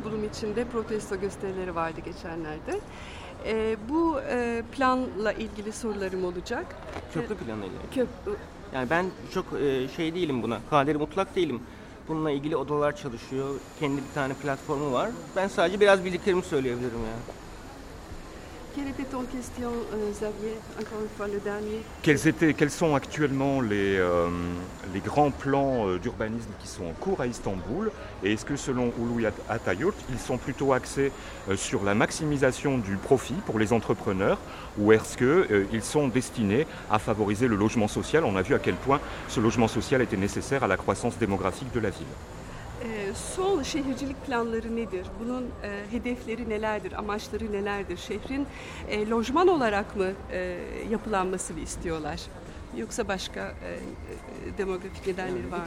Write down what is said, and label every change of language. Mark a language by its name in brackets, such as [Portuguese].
[Turkish] Bunun için de protesto gösterileri vardı geçenlerde. Bu planla ilgili sorularım olacak. Köprü planıyla. Yani ben çok şey değilim buna. Kaderi mutlak değilim. Bununla ilgili odalar çalışıyor. Kendi bir tane platformu var. Ben sadece biraz bildiklerimi söyleyebilirim ya. [French] Quelle était ton question, Xavier, encore une fois le dernier. Quels sont actuellement les grands plans d'urbanisme qui sont en cours à Istanbul ? Et est-ce que selon Ulu Atayurt, ils sont plutôt axés sur la maximisation du profit pour les entrepreneurs ou est-ce qu'ils sont destinés à favoriser le logement social ? On a vu à quel point ce logement social était nécessaire à la croissance démographique de la ville. [Turkish] Son şehircilik planları nedir? Bunun hedefleri nelerdir? Amaçları nelerdir? Şehrin lojman olarak mı yapılanmasını istiyorlar? Yoksa başka demografik nedenleri var mı?